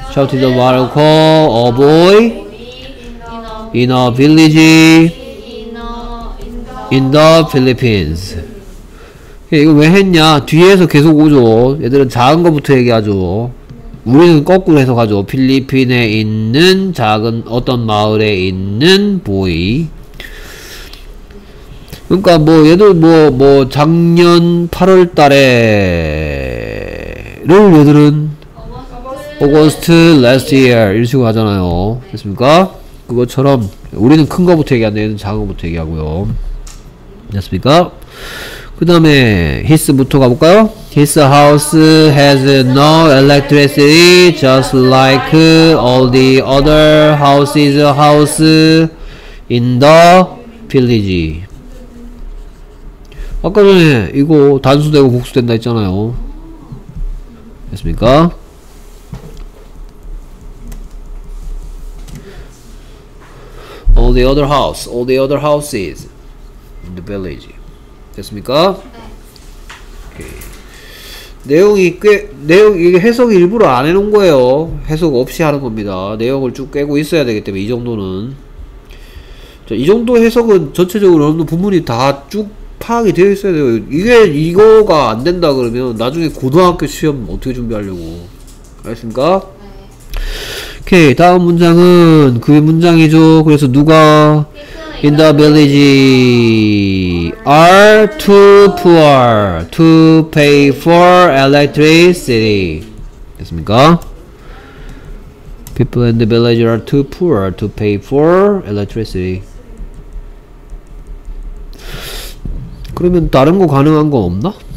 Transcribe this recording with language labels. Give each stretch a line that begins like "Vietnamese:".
English: Shouted Marco, a boy in a village in the Philippines.
Korean: 이거 왜 했냐? 뒤에서 계속 오죠. 얘들은 작은 것부터 얘기하죠. 우리는 거꾸로 해서 가죠. 필리핀에 있는 작은 어떤 마을에 있는 보이. 그러니까 뭐 얘들 뭐 작년 8월 달에 를 얘들은
English: August last year
Korean: 이런 식으로 하잖아요. 됐습니까? 그것처럼 우리는 큰 거부터 얘기한다. 얘는 작은 거부터 얘기하고요. 됐습니까? 그 다음에 his부터 가볼까요?
English: His house has no electricity just like all the other houses house in the village.
Korean: 아까 전에 이거 단수되고 복수된다 했잖아요. 됐습니까?
English: 'All the other houses in the village.'
Korean: 됐습니까? 네. 내용이 꽤 내용 이게 해석 일부러 안 해놓은 거예요. 해석 없이 하는 겁니다. 내용을 쭉 깨고 있어야 되기 때문에 이 정도는 자, 이 정도 해석은 전체적으로 어느 부분이 다 쭉 파악이 되어 있어야 돼요. 이게 이거가 안 된다 그러면 나중에 고등학교 시험 어떻게 준비하려고? 알겠습니까? 오케이, 다음 문장은 그 문장이죠. 그래서 누가
English: in the village are too poor to pay for electricity.
Korean: 됐습니까?
English: People in the village are too poor to pay for electricity.
Korean: 그러면 다른 거 가능한 거 없나?